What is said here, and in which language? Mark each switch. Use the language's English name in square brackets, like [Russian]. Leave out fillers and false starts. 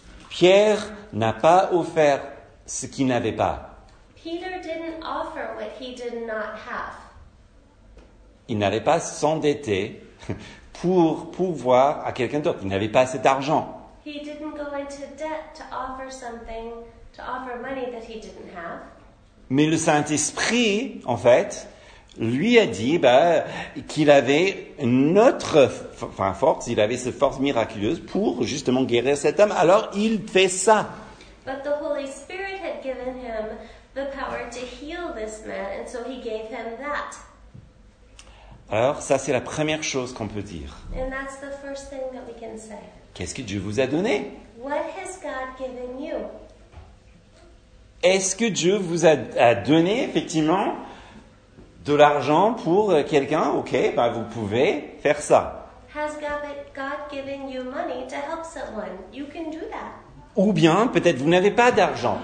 [French] Pierre n'a pas offert ce qu'il n'avait pas. [English] Peter didn't offer what he did not have. [French] Il n'allait pas s'endetter pour pouvoir à quelqu'un d'autre. Il n'avait pas assez d'argent. [English] He didn't go into debt to offer something, to offer money that he didn't have. [French] Mais le Saint-Esprit, en fait, lui a dit qu'il avait une autre force, il avait cette force miraculeuse pour justement guérir cet homme. Alors, il fait ça. [English] But the Holy Spirit had given him the power to heal this man, and so he gave him that. [French] Alors, ça, c'est la première chose qu'on peut dire. [English] And that's the first thing that we can say. [French] Qu'est-ce que Dieu vous a donné? [English] What has God given you? [French] Est-ce que Dieu vous a donné, effectivement, de l'argent pour quelqu'un? Ok, vous pouvez faire ça. [English] Has God given you money to help someone? You can do that. [French] Ou bien, peut-être, vous n'avez pas d'argent.